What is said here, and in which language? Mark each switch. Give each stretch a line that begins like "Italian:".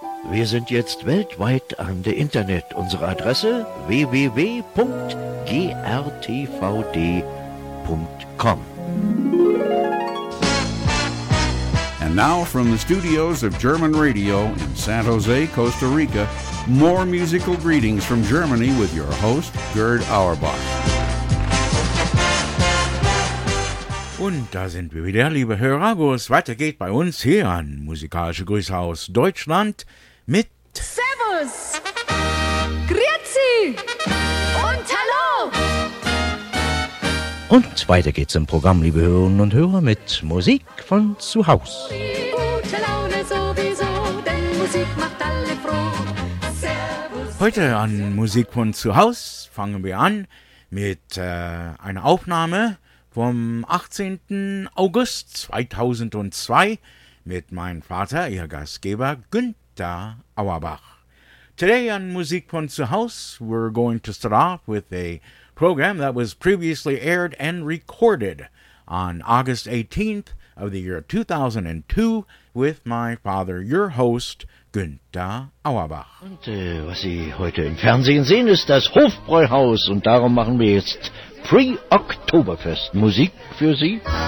German: Wir sind jetzt weltweit an der Internet. Unsere Adresse www.grtvd.com.
English: And now from the studios of German Radio in San Jose, Costa Rica, more musical greetings from Germany with your host, Gerd Auerbach.
German: Und da sind wir wieder, liebe Hörer, wo es weitergeht bei uns hier an Musikalische Grüße aus Deutschland mit... Servus! Grüezi! Und hallo! Und weiter geht's im Programm, liebe Hörerinnen und Hörer, mit Musik von zu Haus. Gute Laune sowieso, denn Musik macht alle froh. Servus. Heute an Musik von zu Haus fangen wir an mit einer Aufnahme vom 18. August 2002 mit meinem Vater, ihr Gastgeber Günther Auerbach.
English: Today on Musik von zu Haus, we're going to start off with a program that was previously aired and recorded on August 18th of the year 2002 with my father, your host, Günther Auerbach.
German: Und was Sie heute im Fernsehen sehen, ist das Hofbräuhaus, und darum machen wir jetzt Pre-Oktoberfest Musik für Sie.